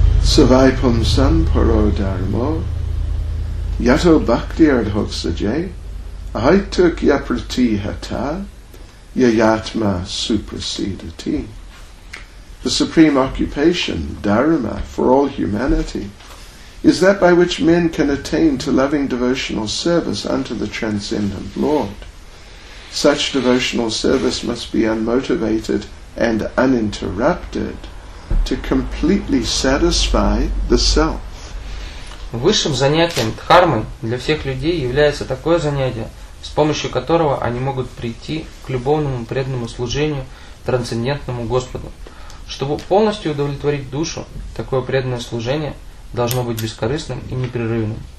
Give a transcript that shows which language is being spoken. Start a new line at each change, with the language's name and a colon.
Sanskrit: Савайпам сампаро дармо Ято бхактиардхок саджей Айтук япрати хата Яятма супрасидати.
English: The supreme occupation, dharma, for all humanity, is that by which men can attain to loving devotional service unto the transcendent Lord. Such devotional service must be unmotivated and uninterrupted to completely satisfy the self.
Russian: Высшим занятием дхармы для всех людей является такое занятие, с помощью которого они могут прийти к любовному преданному служению трансцендентному Господу. Чтобы полностью удовлетворить душу, такое преданное служение должно быть бескорыстным и непрерывным.